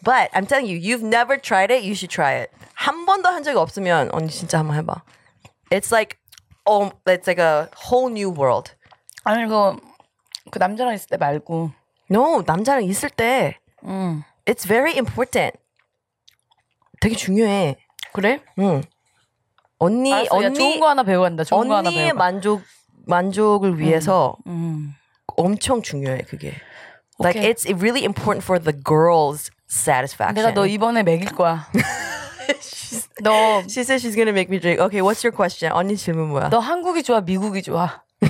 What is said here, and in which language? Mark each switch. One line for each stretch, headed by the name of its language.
English: But I'm telling you, you've never tried it. You should try it.
Korean: 한 번도 한 적이 없으면 언니 진짜 한번 해봐.
English: It's like, oh, it's like a whole new world.
Korean: 아니 그 남자랑 있을 때 말고. No, 남자랑 있을 때.
English: It's very important.
Korean: 되게 중요해. 그래? 언니 알았어, 언니 야, 좋은 거 하나 배워 간다. 좋은 거 하나 배워. 언니의 만족을 위해서 엄청 중요해 그게.
English: Like okay. It's really important for the girl's satisfaction.
Korean: 내가 너 이번에 먹일 거야.
English: She said she's gonna make me drink. Okay, what's your question?
Korean: 언니 질문 뭐야? 너 한국이 좋아, 미국이 좋아?